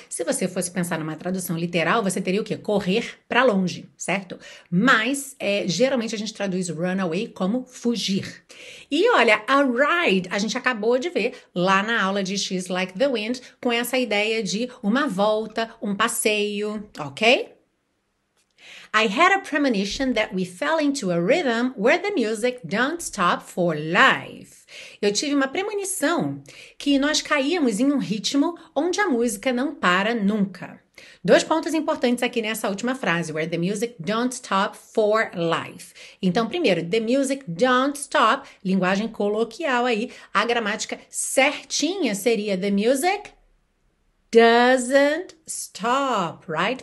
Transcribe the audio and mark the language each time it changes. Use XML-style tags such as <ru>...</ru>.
<pt>Se você fosse pensar numa tradução literal, você teria o quê? Correr para longe, certo? Mas geralmente a gente traduz run away como fugir. E olha, a ride, a gente acabou de ver lá na aula de She's Like the Wind, com essa ideia de uma volta, um passeio, ok?</pt> <en>I had a premonition that we fell into a rhythm where the music don't stop for life.</en> <pt>Eu tive uma premonição que nós caíamos em um ritmo onde a música não para nunca. Dois pontos importantes aqui nessa última frase,</pt> <en>where the music don't stop for life.</en> <pt>Então, primeiro,</pt> <en>the music don't stop,</en> <pt>linguagem coloquial aí, a gramática certinha seria</pt> <en>the music doesn't stop, right?</en>